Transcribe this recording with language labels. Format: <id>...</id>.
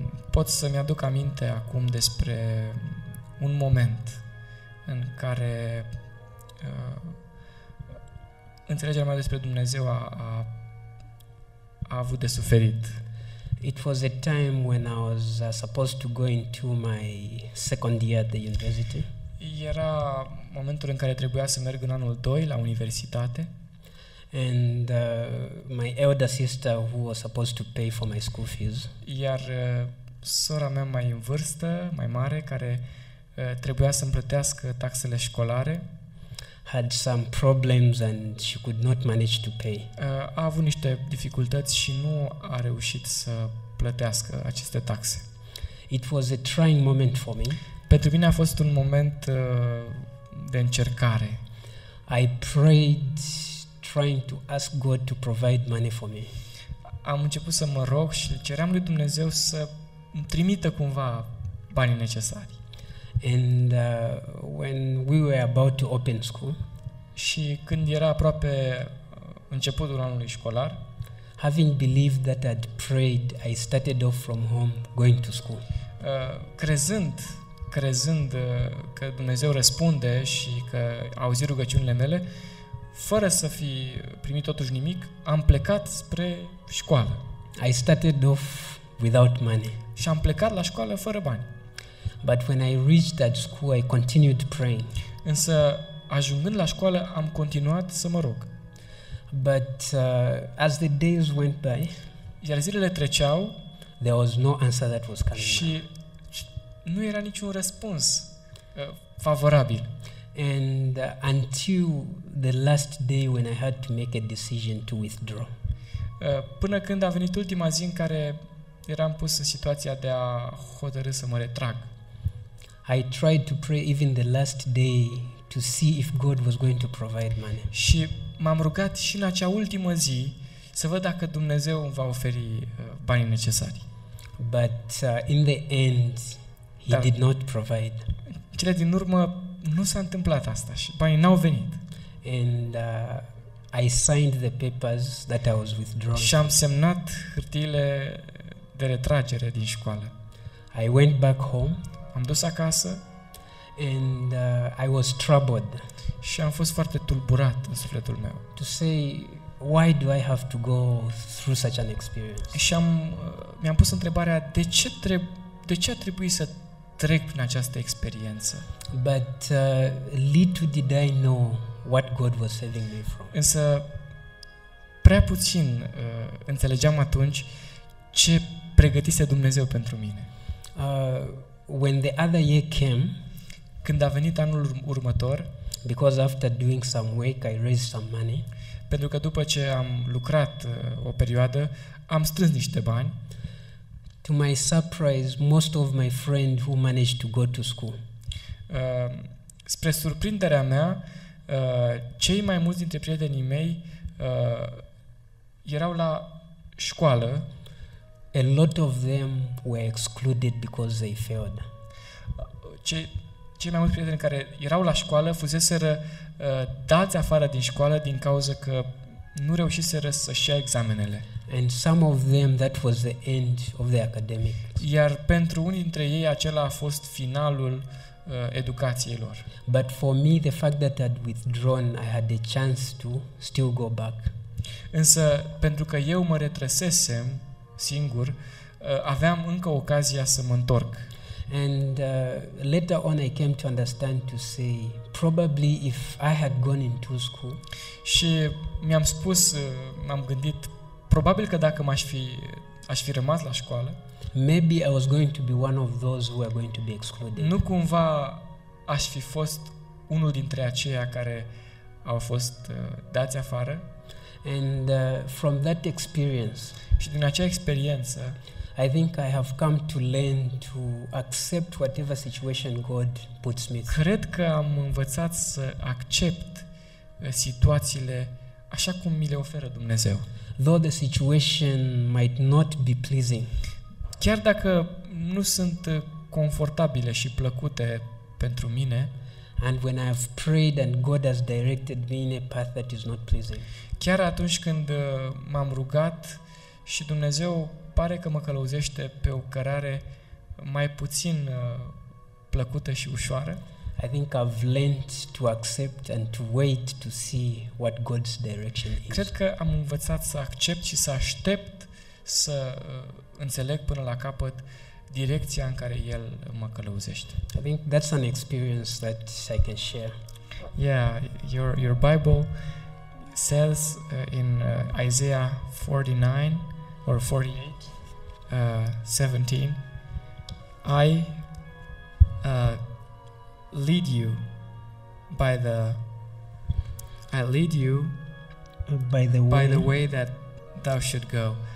<ro>Pot să-mi aduc aminte acum despre un moment în care înțelegerea mea despre Dumnezeu a avut de suferit.</ro> <en>It was a time when I was supposed to go into my second year at the university.</en> <ro>Era momentul în care trebuia să merg în anul 2 la universitate.</ro> <en>And my elder sister who was supposed to pay for my school fees.</en> <ro>Iar sora mea mai în vârstă, mai mare, care trebuia să-mi plătească taxele școlare,</ro> <en>had some problems and she could not manage to pay.</en> <ro>A avut niște dificultăți și nu a reușit să plătească aceste taxe.</ro> <en>It was a trying moment for me.</en> <ro>Pentru mine a fost un moment de încercare.</ro> <en>I prayed trying to ask God to provide money for me.</en> <ro>Am început să mă rog și ceream lui Dumnezeu să îmi trimită cumva banii necesari.</ro> <en>And when we were about to open school,</en> <ro>și când era aproape începutul anului școlar,</ro> <en>having believed that I'd prayed, I started off from home going to school.</en> <ro>Crezând că Dumnezeu răspunde și că a auzit rugăciunile mele, fără să fi primit totuși nimic, am plecat spre școală.</ro> <en>I started off without money.</en> <ro>Și am plecat la școală fără bani.</ro> <en>But when I reached that school, I continued praying.</en> <ro>Însă, ajungând la școală, am continuat să mă rog.</ro> <en>But as the days went by,</en> <ro>iar zilele treceau,</ro> <en>there was no answer that was coming.</en> <ro>Și nu era niciun răspuns favorabil.</ro> <en>And until the last day when I had to make a decision to withdraw.</en> <ro>Până când a venit ultima zi în care eram pus în situația de a hotărî să mă retrag.</ro> <en>I tried to pray even the last day to see if God was going to provide money.</en> <ro>Și m-am rugat și în acea ultimă zi să văd dacă Dumnezeu îmi va oferi banii necesari.</ro> <en>But in the end he did not provide.</en> <ro>Cele din urmă nu s-a întâmplat asta și banii n-au venit.</ro> <en>And I signed the papers that I was withdrawing.</en> <ro>Și am semnat hârtiile de retragere din școală.</ro> <en>I went back home.</en> <ro>Am dus acasă.</ro> <en>And I was troubled.</en> <ro>Și am fost foarte tulburat în sufletul meu.</ro> <en>To say, why do I have to go through such an experience?</en> <ro>Și mi-am pus întrebarea, de ce a trebuit să trec prin această experiență.</ro> <en>But little did I know what God was saving me from.</en> <ro>Însă prea puțin înțelegeam atunci ce pregătise Dumnezeu pentru mine.</ro> <en>When the other year came,</en> <ro>când a venit anul următor,</ro> <en>because after doing some work I raised some money,</en> <ro>pentru că după ce am lucrat o perioadă, am strâns niște bani.</ro> <en>To my surprise, most of my friends who managed to go to school.</en> <ro>Spre surprinderea mea, cei mai mulți dintre prietenii mei erau la școală.</ro> <en>A lot of them were excluded because they failed.</en> <ro>Cei mai mulți prieteni care erau la școală fuseseră dați afară din școală din cauza că nu reușiseră să-și ia examenele.</ro> <en>And some of them, that was the end of the academic.</en> <ro>Iar pentru unii dintre ei acela a fost finalul educației lor.</ro> <en>But for me, the fact that I'd withdrawn, I had a chance to still go back.</en> <ro>Însă pentru că eu mă retrăsesem singur, aveam încă ocazia să mă întorc.</ro> <en>And later on I came to understand to say probably if I had gone into school.</en> <ro>Și mi-am spus, m-am gândit, probabil că dacă aș fi rămas la școală,</ro> <en>maybe I was going to be one of those who are going to be excluded.</en> <ro>Nu cumva aș fi fost unul dintre aceia care au fost dați afară.</ro> <en>And from that experience,</en> <ro>și din acea experiență,</ro> <en>I think I have come to learn to accept whatever situation God puts me through.</en> <ro>Cred că am învățat să accept situațiile așa cum mi le oferă Dumnezeu.</ro> <en>Though the situation might not be pleasing.</en> <ro>Chiar dacă nu sunt confortabile și plăcute pentru mine,</ro> <en>and when I have prayed and God has directed me in a path that is not pleasing.</en> <ro>Chiar atunci când m-am rugat și Dumnezeu pare că mă călăuzește pe o cărare mai puțin plăcută și ușoară.</ro> <en>I think I've learned to accept and to wait to see what God's direction is.</en> <ro>Cred că am învățat să accept și să aștept să înțeleg până la capăt direcția în care El mă călăuzește.</ro> <en>I think that's an experience that I can share. Yeah, your Bible says in Isaiah 49 or 48, 17, I lead you by the way that thou should go.</en>